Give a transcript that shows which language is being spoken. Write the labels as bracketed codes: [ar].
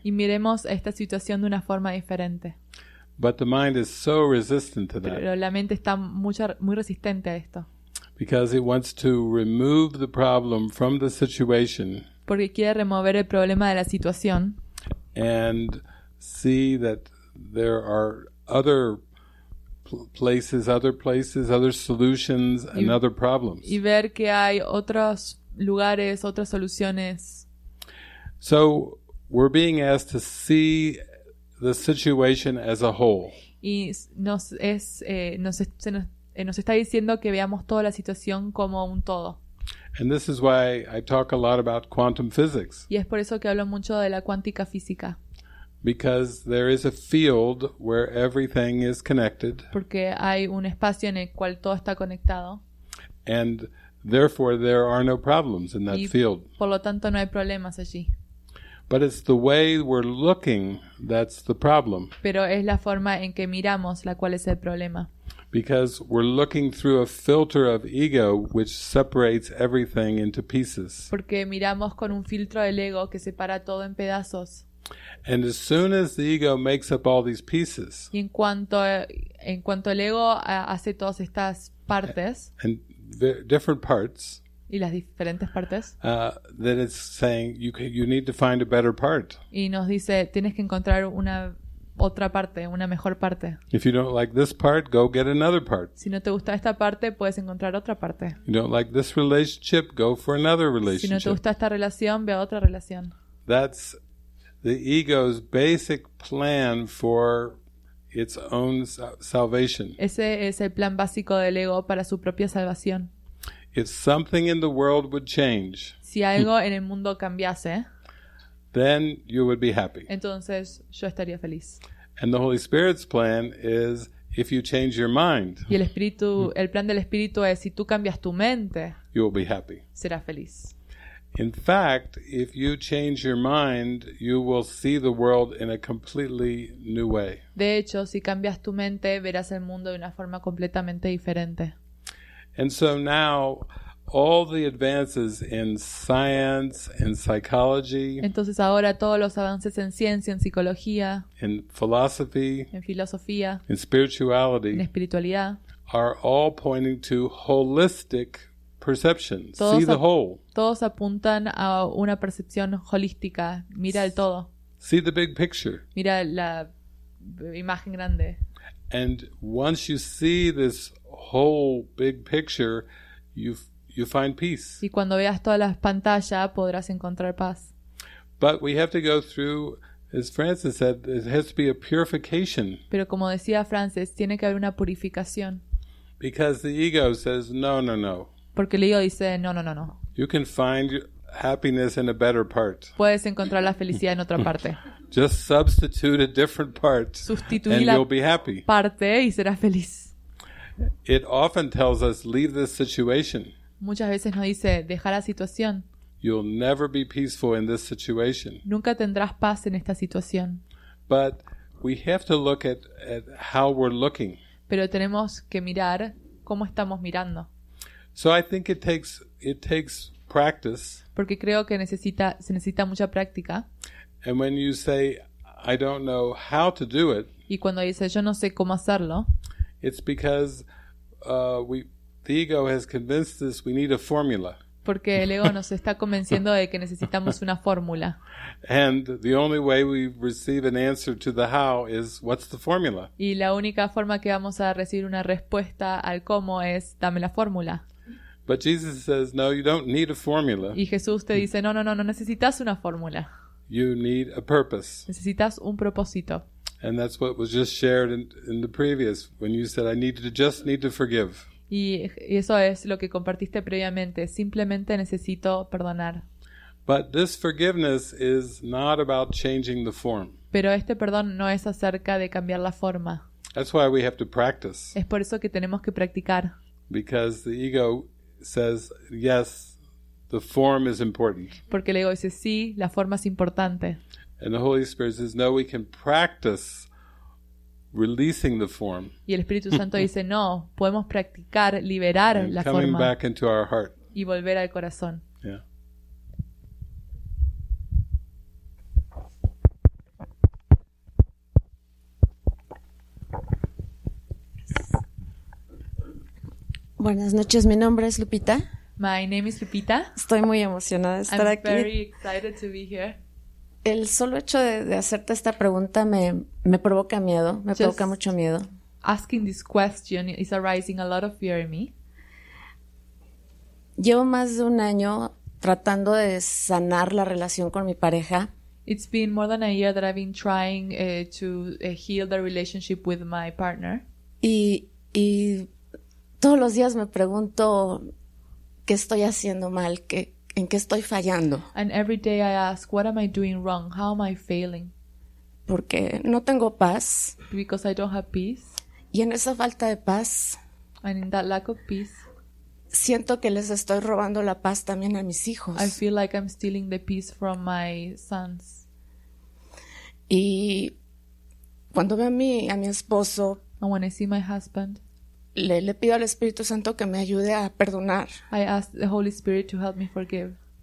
[es] Y miremos esta situación de una forma diferente. [en] But the mind is so resistant to [es] pero Pero la mente está muy resistente a esto. [en] Because it wants to remove the problem from the situation. [es] Porque quiere remover el problema de la situación. [en] And see that there are other places, other places, other solutions, and other problems. [es] Y ver que hay otros lugares, otras soluciones. [en] So we're being asked to see the situation as a whole. [es] Y nos está diciendo que veamos toda la situación como un todo. [en] And this is why I talk a lot about quantum physics. [es] Y es por eso que hablo mucho de la cuántica física. [en] Because there is a field where everything is connected. [es] Porque hay un espacio en el cual todo está conectado. [en] And therefore there are no problems in that field. [es] Por lo tanto no hay problemas allí. [en] But it's the way we're looking that's the problem. [es] Pero es la forma en que miramos la cual es el problema. [en] Because we're looking through a filter of ego which separates everything into pieces. [es] Porque miramos con un filtro del ego que separa todo en pedazos. [en] And as soon as the ego makes up all these pieces, [es] y en cuanto el ego hace todas estas partes, [en] and different parts, [es] y las diferentes partes, [en] then it's saying you need to find a better part. [es] Y nos dice, tienes que encontrar una otra parte, una mejor parte. [en] If you don't like this part, go get another part. [es] Si no te gusta esta parte, puedes encontrar otra parte. [en] You don't like this relationship, go for another relationship. [es] Si no te gusta esta relación, ve a otra relación. [en] That's the ego's basic plan for its own salvation. [es] Ese es el plan básico del ego para su propia salvación. [en] If something in the world would change, [es] si algo en el mundo cambiase, [en] then you would be happy. [es] Entonces, yo estaría feliz. [en] And the Holy Spirit's plan is if you change your mind, [es] y el plan del Espíritu es si tú cambias tu mente, [en] you will be happy. [es] Serás feliz. [en] In fact, if you change your mind, you will see the world in a completely new way. [es] De hecho, si cambias tu mente, verás el mundo de una forma completamente diferente. [en] And so now, all the advances in science and psychology, [es] entonces ahora todos los avances en ciencia, en psicología, [en] in philosophy, [es] en filosofía, [en] in spirituality, [es] en espiritualidad, [en] are all pointing to holistic perception. See the whole. [es] Todos apuntan a una percepción holística. Mira el todo. [en] See the big picture. [es] Mira la imagen grande. [en] And once you see this whole big picture, you find peace. [es] Y cuando veas todas las pantallas, podrás encontrar paz. [en] But we have to go through, as Francis said, it has to be a purification. [es] Pero como decía Francis, tiene que haber una purificación. [en] Because the ego says no, no, no. [es] Porque el ego dice no, no, no, no. [en] You can find happiness in a better part. [es] Puedes encontrar la felicidad en otra parte. [en] Just substitute a different part. [es] Sustituí [en] and [es] la [en] you'll be happy. [es] Parte y serás feliz. [en] It often tells us leave this situation. [es] Muchas veces nos dice deja la situación. [en] You'll never be peaceful in this situation. [es] Nunca tendrás paz en esta situación. [en] But we have to look at how we're looking. [es] Pero tenemos que mirar cómo estamos mirando. [en] So I think it takes practice. [es] Porque creo que se necesita mucha práctica. [en] And when you say I don't know how to do it, [es] y cuando dices yo no sé cómo hacerlo, [en] it's because the ego has convinced us we need a formula. [es] Porque el ego nos está convenciendo de que necesitamos una fórmula. [en] And the only way we receive an answer to the how is what's the formula? [es] Y la única forma que vamos a recibir una respuesta al cómo es dame la fórmula. [en] But Jesus says no, you don't need a formula. [es] Y Jesús te dice no necesitas una fórmula. [en] You need a purpose. [es] Necesitas un propósito. [en] And that's what was just shared in the previous when you said I just need to forgive. [es] Y eso es lo que compartiste previamente, simplemente necesito perdonar. [en] But this forgiveness is not about changing the form. [es] Pero este perdón no es acerca de cambiar la forma. [en] That's why we have to practice. [es] Es por eso que tenemos que practicar. [en] Because the ego says yes, the form is important. [es] Porque el ego dice sí, la forma es importante. [en] And the Holy Spirit says no, we can practice releasing the form. [es] Y el Espíritu Santo dice no, podemos practicar liberar la forma. [en] Coming back into our heart. [es] Y volver al corazón. Buenas noches, mi nombre es Lupita. [en] My name is Lupita. [es] Estoy muy emocionada de estar aquí. [en] I'm very excited to be here. [es] El solo hecho de hacerte esta pregunta me provoca miedo, me provoca mucho miedo. [en] Asking this question is arising a lot of fear in me. [es] Llevo más de un año tratando de sanar la relación con mi pareja. [en] It's been more than a year that I've been trying to heal the relationship with my partner. [es] Y todos los días me pregunto qué estoy haciendo mal, en qué estoy fallando. [en] And every day I ask, what am I doing wrong? How am I failing? [es] Porque no tengo paz. [en] Because I don't have peace. [es] Y en esa falta de paz, [en] and in that lack of peace, [es] siento que les estoy robando la paz también a mis hijos. [en] I feel like I'm stealing the peace from my sons. [es] Y cuando veo a mi esposo, [en] and when I see my husband, [es] Le pido al Espíritu Santo que me ayude a perdonar. [en] I ask the Holy Spirit to help me forgive.